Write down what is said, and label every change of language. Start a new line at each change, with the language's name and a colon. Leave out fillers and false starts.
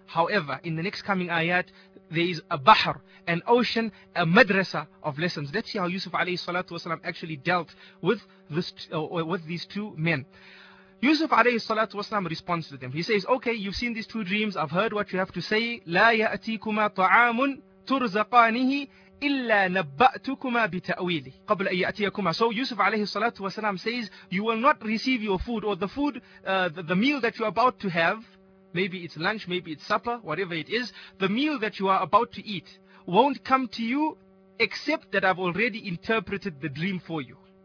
English: However, in the next coming ayat, there is a bahr, an ocean, a madrasa of lessons. Let's see how Yusuf alayhi salatu wasalam actually dealt with this, with these two men. Yusuf alayhi salatu wasalam responds to them. He says, okay, you've seen these two dreams. I've heard what you have to say.
Arabic: لا يأتيكما طعام ترزقانه إلا نبأتكما بتأويله قبل أن يأتيكما.
English: So Yusuf عليه الصلاة والسلام says, you will not receive your food or the food, the meal that you are about to have, maybe it's lunch, maybe it's supper, whatever it is, the meal that you are about to eat won't come to you except that I've already interpreted the dream for you.